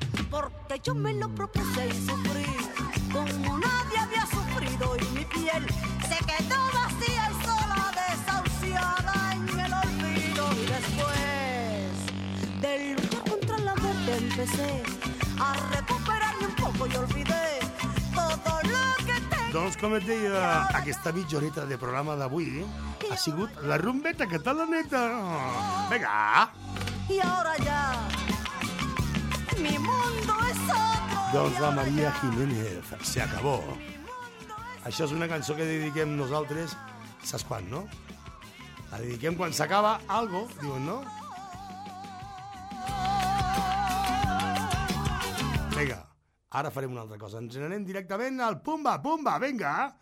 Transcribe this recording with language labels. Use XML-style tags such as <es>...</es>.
<es>Porque yo me lo propuse y sufrí. Como nadie había sufrido y mi piel se quedó vacía y sola, desahuciada en el olvido. Y después de luchar contra la muerte empecé a recuperarme un poco y olvidé todo lo que tengo.</es> <ca>Doncs com et deia, aquesta mitjoreta de programa d'avui ha sigut la rumbeta catalaneta. Vinga! I ara ja</ca> <es>mi mundo es otro.</es> <ca>Doncs la María Jiménez,</ca> <es>se acabó.</es> <ca>Això és una cançó que dediquem nosaltres, saps quan, no? La dediquem quan s'acaba algo, diuen, no? Vinga, ara farem una altra cosa. Ens n'anem directament al Pumba, Pumba, vinga.</ca>